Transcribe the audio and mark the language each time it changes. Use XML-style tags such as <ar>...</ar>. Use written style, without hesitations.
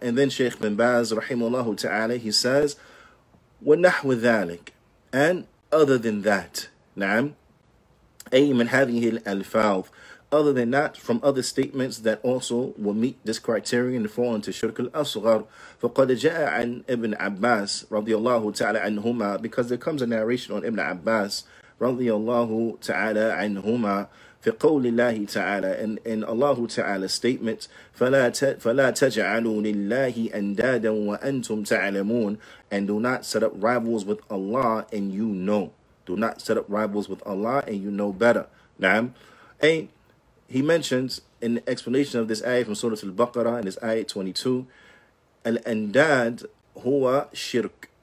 <en>And then Shaykh bin Baz,</en> <ar>رَحِيمُ اللَّهُ تَعَالَى,</ar> <en>he says,</en> <ar>وَنَحْوِ ذَلِكَ.</ar> <en>And other than that. Na'am.</en> <ar>أي من هذه الألفاظ.</ar> <en>Other than that, from other statements that also will meet this criterion and fall into shirk al-asghar.</en> <ar>فَقَدْ جَاءَ عَنْ Ibn Abbas رَضِيَ اللَّهُ تَعَالَى عَنْهُمَا.</ar> <en>Because there comes a narration on Ibn Abbas</en> <ar>رَضِيَ اللَّهُ تَعَالَى عَنْهُمَا فِي قَوْلِ اللَّهِ تَعَالَى.</ar> <en>And in Allah Ta'ala's statement,</en> <ar>فَلَا تَجْعَلُوا لِلَّهِ أَنْدَادًا وَأَنْتُمْ تَعْلَمُونَ.</ar> <en>And do not set up rivals with Allah and you know. Do not set up rivals with Allah and you know better.</en> <ar>نعم.</ar> <en>And he mentions in the explanation of this ayah from Surah Al-Baqarah, in this ayah 22,</en> <ar>Al-Andad huwa shirk.</ar>